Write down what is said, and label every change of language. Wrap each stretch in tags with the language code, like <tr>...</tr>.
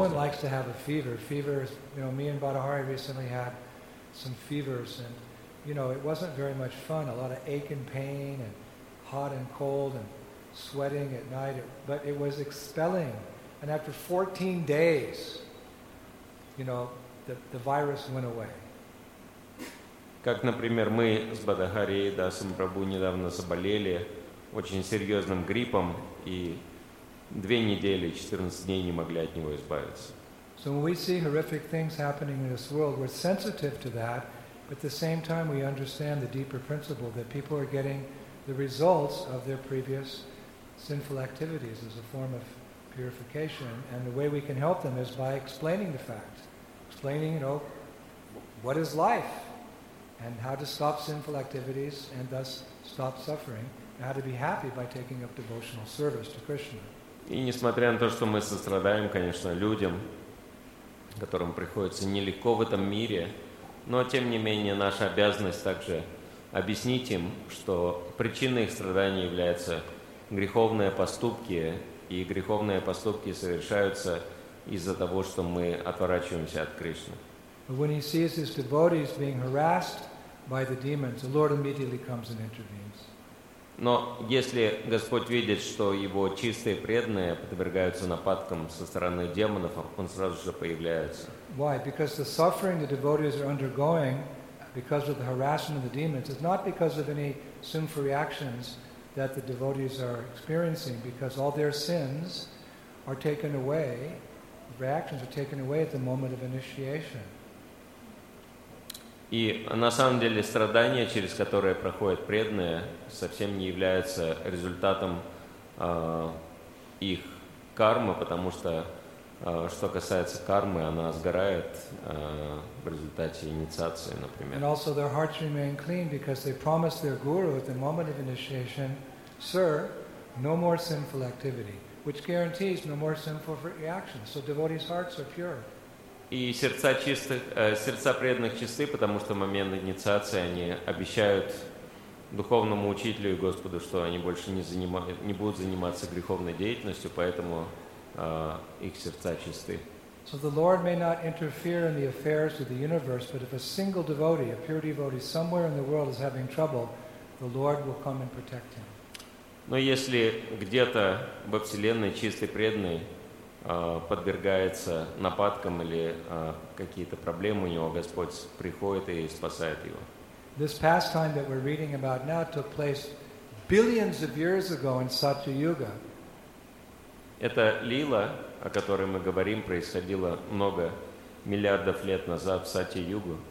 <en>No one likes to have a fever. Fever, you know, me and Badahari recently had some fevers, and you know, it wasn't very much fun. A lot of ache and pain, and hot and cold, and sweating at night. But it was expelling, and after 14 days, you know. The virus went away.</en> <ru>Как, например, мы с Бадахари и Дасом Прабу недавно заболели очень серьезным гриппом и 2 недели, 14 дней не могли от него избавиться.</ru> <en>So when we see horrific things happening in this world, we're sensitive to that, but at the same time we understand the deeper principle that people are getting the results of their previous sinful activities as a form of purification, and the way we can help them is by explaining the fact. Explaining, you know, what is life? and how to stop sinful activities and thus stop suffering, and how to be happy by taking up devotional service to Krishna.</en> <ru>И несмотря на то, что мы сострадаем, конечно, людям, которым приходится нелегко в этом мире, но тем не менее наша обязанность также объяснить им, что причиной их страданий являются греховные поступки, и греховные поступки совершаются из-за того, что мы отворачиваемся от Кришны.</ru> <en>When he sees his devotees being harassed by the demons, the Lord immediately comes and intervenes.</en> <ru>Но если Господь видит, что его чистые преданные подвергаются нападкам со стороны демонов, он сразу же появляется.</ru> <en>Why? Because the suffering the devotees are undergoing because of the harassment of the demons is not because of any sinful reactions that the devotees are experiencing, because all their sins are taken away, reactions are taken away at the moment of initiation.</en> <ru>И на самом деле страдания, через которые проходят преданные, совсем не являются результатом их кармы, потому что, что касается кармы, она сгорает в результате инициации, например.</ru> <en>And also their hearts remain clean because they promised their guru at the moment of initiation, sir, no more sinful activity, which guarantees no more sinful reactions. So devotees' hearts are pure.</en> <ru>И сердца чистых, сердца преданных чисты, потому что в момент инициации они обещают духовному учителю и Господу, что они больше не будут заниматься греховной деятельностью, поэтому их сердца чисты.</ru> <en>So the Lord may not interfere in the affairs of the universe, but if a single devotee, a pure devotee, somewhere in the world is having trouble, the Lord will come and protect him.</en> <ru>Но если где-то во Вселенной чистый преданный подвергается нападкам или какие-то проблемы у него, Господь приходит и спасает его.</ru> <en>This pastime that we're reading about now took place billions of years ago in Satyayuga.</en> <ru>Эта лила, о которой мы говорим, происходила много миллиардов лет назад в Сатья-югу.</ru>